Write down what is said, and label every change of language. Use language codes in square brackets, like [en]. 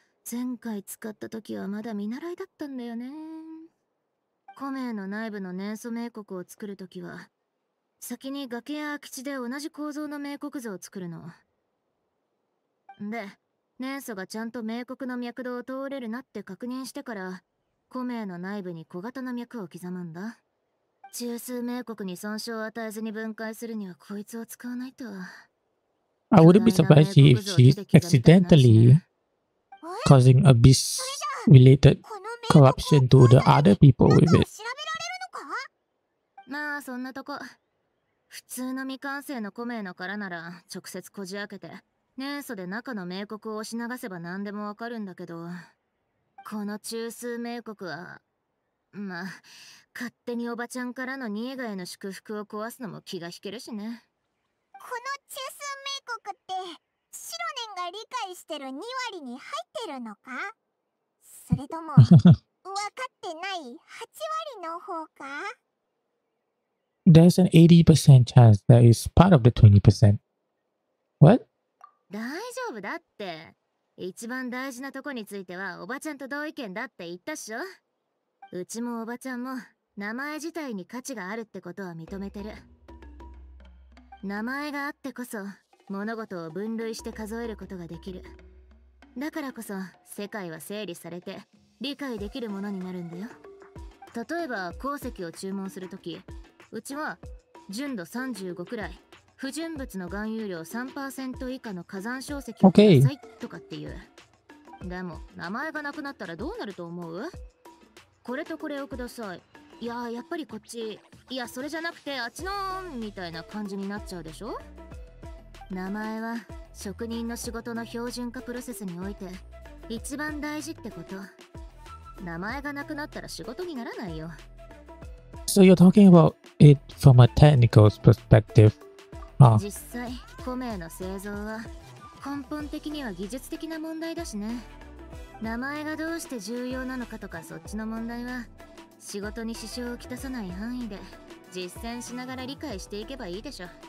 [ja] 前回使った時はまだ見習いだったんだよね。古名の内部の粘素冥国を作るときは、先に崖や空き地で同じ構造の冥国図を作るの。で、粘素がちゃんと冥国の脈動を通れるなって確認してから、古名の内部に小型の脈を刻むんだ。中枢冥国に損傷を与えずに分解するにはこいつを使わないと。 [en] I wouldn't be surprised if she's accidentally causing abyss-related corruption to the other people with it. [ja] まあそんなとこ。普通の未完成の古名の殻なら直接こじ開けて、粘素で中の冥国を押し流せば何でもわかるんだけど、この中枢冥国は、まあ勝手におばちゃんからのニエガへの祝福を壊すのも気が引けるしね。この中枢冥国ってシロネンが理解してる2割に入ってるのか、それとも分かってない8割の方か。 [en] There's an 80% chance that it's part of the 20%. What? [ja] 大丈夫だって。一番大事なとこについてはおばちゃんと同意見だって言ったっしょ。うちもおばちゃんも名前自体に価値があるってことは認めてる。名前があってこそ物事を分類して数えることができる。だからこそ世界は整理されて理解できるものになるんだよ。例えば鉱石を注文するとき、うちは純度35くらい、不純物の含有量 3% 以下の火山小石をくださいとかっていう。 [en] Okay. [ja] でも名前がなくなったらどうなると思う？これとこれをください、いややっぱりこっち、いやそれじゃなくてあっちのみたいな感じになっちゃうでしょ。名前は職人の仕事の標準化プロセスにおいて一番大事ってこと。名前がなくなったら仕事にならないよ。 [en] So you're talking about it from a technical perspective、 [ja] 実際古名の製造は根本的には技術的な問題だしね。名前がどうして重要なのかとか、そっちの問題は仕事に支障をきたさない範囲で実践しながら理解していけばいいでしょ。